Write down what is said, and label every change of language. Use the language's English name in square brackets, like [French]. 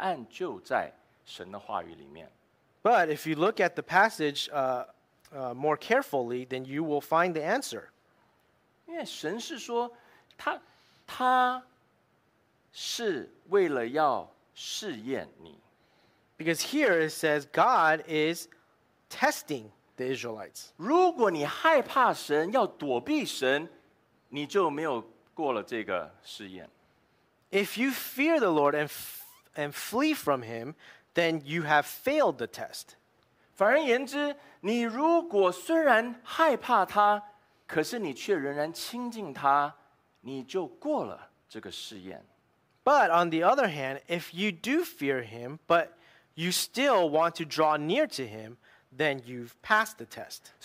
[Chinese] 但是如果我们好好的弟兄姐妹，如果好好的来看这段经文，仔细去看它，去体会它，我们就发现答案就在神的话语里面。 [English] But if you look at the passage, more carefully, then you will find the answer. [Chinese] 因为神是说，他是为了要试验你。 [English] Because here it says God is testing the Israelites. [Chinese] 如果你害怕神，要躲避神，你就没有过了这个试验。 [English] If you fear the Lord and flee from Him, then you have failed the test. [Chinese] 反而言之， 你如果虽然害怕他，可是你却仍然亲近他，你就过了这个试验。 [English] But on the other hand, if you do fear him, but you still want to draw near to him, then you've passed the test.